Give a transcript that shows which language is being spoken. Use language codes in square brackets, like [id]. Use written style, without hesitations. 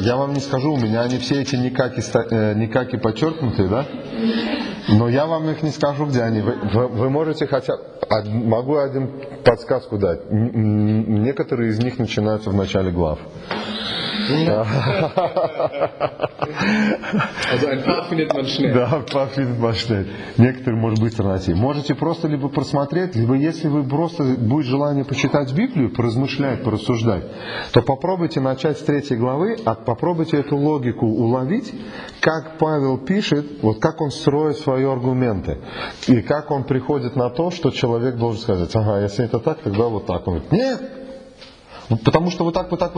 [ru] Я вам не скажу, у меня они все эти никак и подчеркнутые, да? Но я вам их не скажу, где они. Вы можете хотя... Могу один подсказку дать. Некоторые из них начинаются в начале глав. [de] Also ein paar findet man schnell. Да, ein paar findet man schnell. [ru] Некоторые может быстро найти. Можете просто либо просмотреть, либо если вы просто будет желание почитать Библию, поразмышлять, порассуждать, то попробуйте начать с третьей главы, а попробуйте эту логику уловить, как Павел пишет, вот как он строит свои аргументы, и как он приходит на то, что человек должен сказать, ага, если это так, тогда вот так. Он говорит, нет! Потому что вот так.